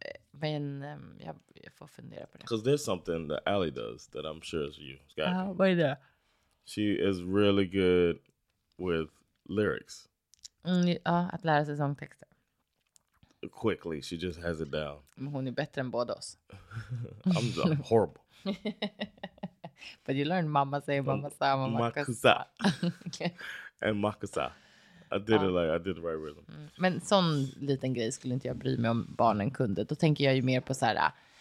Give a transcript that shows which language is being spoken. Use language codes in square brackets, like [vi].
[sv] Men jag får fundera på det. [en] Because there's something that Allie does that I'm sure is you. [sv] Vad är det? [en] She is really good with lyrics. [sv] Ja, att lära sig sångtexter. [en] Quickly, she just has it down. [sv] Hon är bättre än båda oss. [en] I'm horrible. But you learned mamma say mamma say mamma makusa. And makusa. I did the right rhythm. [sv] Men sån liten grej skulle inte jag bry mig om barnen kunde. Då tänker jag ju mer på så här.